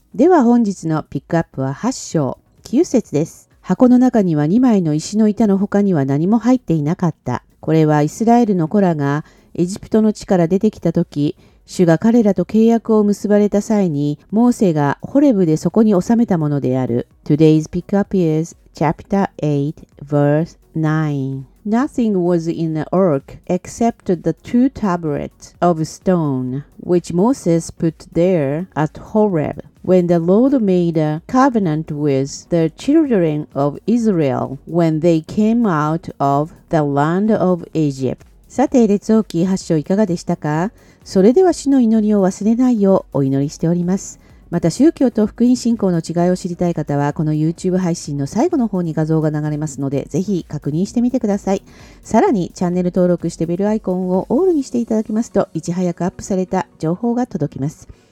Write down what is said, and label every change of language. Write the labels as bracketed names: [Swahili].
[Japanese] では本日のピックアップは8章、9節です。箱の中には2枚の石の板の他には何も入っていなかった。これはイスラエルの子らがエジプトの地から出てきた時、主が彼らと契約を結ばれた際に、モーセがホレブでそこに収めたものである。 [English] Today's pick up is chapter 8, verse 9. Nothing was in the ark except the two tablets of stone, which Moses put there at Horeb. When the Lord made a covenant with the children of Israel when they came out of the land of Egypt. [Japanese] さて、列王記8章いかがでしたか？それでは主の祈りを忘れないようお祈りしております。また宗教と福音信仰の違いを知りたい方は、この YouTube 配信の最後の方に画像が流れますので、ぜひ確認してみてください。さらにチャンネル登録してベルアイコンをオールにしていただきますと、いち早くアップされた情報が届きます。